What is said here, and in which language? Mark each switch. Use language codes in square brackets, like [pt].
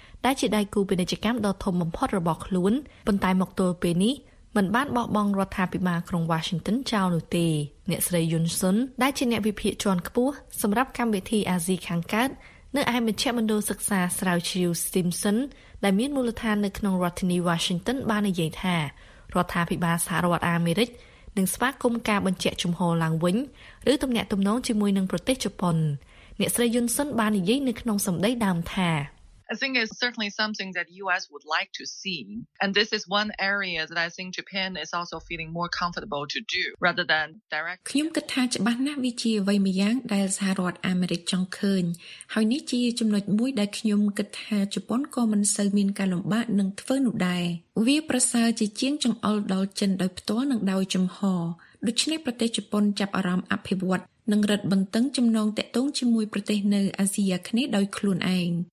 [km] ដែលជាដៃគូពាណិជ្ជកម្មដ៏ធំបំផុតរបស់ខ្លួនប៉ុន្តែមកទល់ពេលនេះមិនបានបោះបង់រដ្ឋាភិបាលក្រុង Washington ចោលនោះទេអ្នកស្រីយុនសុនដែលជាអ្នកវិភាគជាន់ខ្ពស់សម្រាប់កម្មវិធីអាស៊ីខាងកើតនៅឯមជ្ឈមណ្ឌលសិក្សាស្រាវជ្រាវ Simpson ដែលមានមូលដ្ឋាននៅក្នុងរដ្ឋធានី Washington បាននិយាយថារដ្ឋាភិបាលសហរដ្ឋអាមេរិកនឹងស្វាគមន៍ការបញ្ជាក់ជំហរឡើងវិញឬទំនាក់ទំនងជាមួយនឹងប្រទេសជប៉ុនអ្នកស្រីយុនសុនបាននិយាយនៅក្នុងសម្ដីដើមថា [en] I think it's certainly something that US would like to see and this is one area that I think Japan is also feeling more comfortable to do rather than direct [km] ខ្ញុំគិតថាច្បាស់ណាស់វាជាអ្វីម្យ៉ាងដែលសហរដ្ឋអាមេរិកចង់ឃើញហើយនេះជាចំណុចមួយដែលខ្ញុំគិតថាជប៉ុនក៏មិនសូវមានការលំបាកនឹងធ្វើនោះដែរវាប្រសើរជាជាងចង្អុលដល់ចិនដោយផ្ទាល់និងដោយចំហដូច្នេះប្រទេសជប៉ុនចាប់អារម្មណ៍អភិវឌ្ឍនឹងរដ្ឋបន្ទឹងចំណងតាក់ទងជាមួយប្រទេសនៅអាស៊ីអាគ្នេយ៍ដោយខ្លួនឯង